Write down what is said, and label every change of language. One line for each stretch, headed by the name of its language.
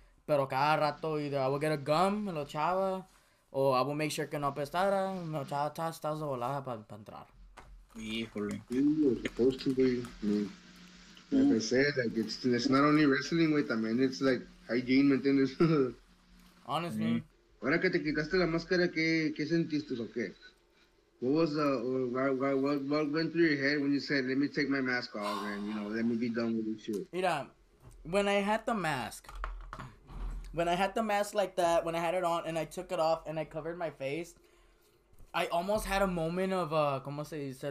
Spanish: Pero cada rato,
English: either I would get a gum,
Spanish: me lo echaba,
English: or I would make sure
Spanish: que no apestara, me lo echaba, estás de volada para entrar. Híjole.
English: You were supposed to be, I mean, like I said, like it's not only wrestling, wait, I mean, it's like hygiene,
Spanish: ¿me entiendes?
English: Honestly. Mm-hmm.
Spanish: Ahora que te quitaste la máscara, ¿qué sentiste o qué?
English: What was what went through your head when you said, let me take my mask off and, you know, let me be done with this shit? Mira, when I had the mask like that, when I had it on and I took it off and I covered my face, I almost had a moment of,
Spanish: ¿cómo se dice?